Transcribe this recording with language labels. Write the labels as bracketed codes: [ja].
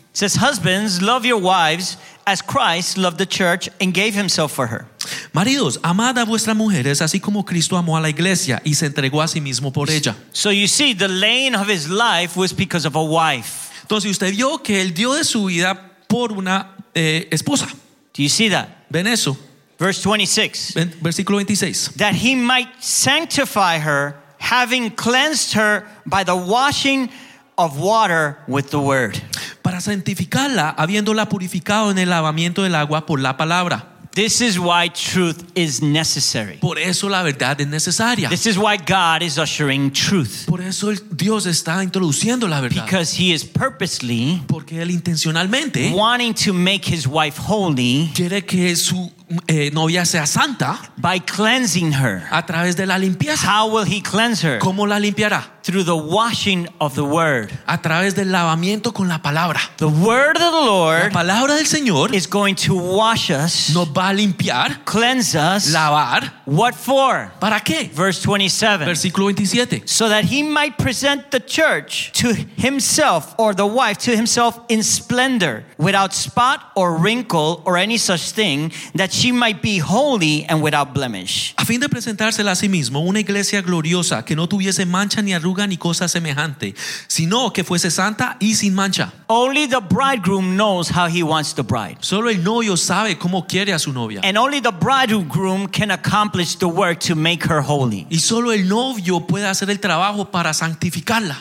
[en] Says, husbands, love your wives as Christ loved the church and gave himself for her. [es] Maridos, amad a vuestras mujeres así como Cristo amó a la iglesia y se entregó a sí mismo por ella. [en] So you see, the laying of his life was because of a wife. [es] Entonces usted vio que él dio de su vida por una esposa. [en] Do you see that? [es] ¿Ven eso? [en] Verse 26. [es] Versículo 26. [en] That he might sanctify her, having cleansed her by the washing of water with the word. [es] Para santificarla, habiéndola purificado en el lavamiento del agua por la palabra. [en] This is why truth is necessary. [es] Por eso la verdad es necesaria. [en] This is why God is ushering truth. [es] Por eso Dios está introduciendo la verdad. [en] Because he is purposely, [es] porque él intencionalmente, [en] wanting to make his wife holy, [es] quiere que su novia sea santa, [en] by cleansing her. [es] A través de la limpieza. [en] How will he cleanse her? [es] ¿Cómo la limpiará? [en] Through the washing of the word. [es] A través del lavamiento con la palabra. [en] The word of the Lord, [es] la palabra del Señor, [en] is going to wash us, [es] nos va a limpiar, [en] cleanse us, [es] lavar. [en] What for? [es] ¿Para qué? [en] Verse 27. [es] Versículo 27. [en] So that he might present the church to himself, or the wife to himself, in splendor, without spot or wrinkle or any such thing, that she might be holy and without blemish. [es] A fin de presentársela a sí mismo una iglesia gloriosa que no tuviese mancha ni arruga ni cosa semejante, sino que fuese santa y sin mancha. [en] Only the bridegroom knows how he wants the bride. [es] Solo el novio sabe cómo quiere a su novia. [en] And only the bridegroom can accomplish the work to make her holy. [es] Y solo el novio puede hacer el trabajo para santificarla.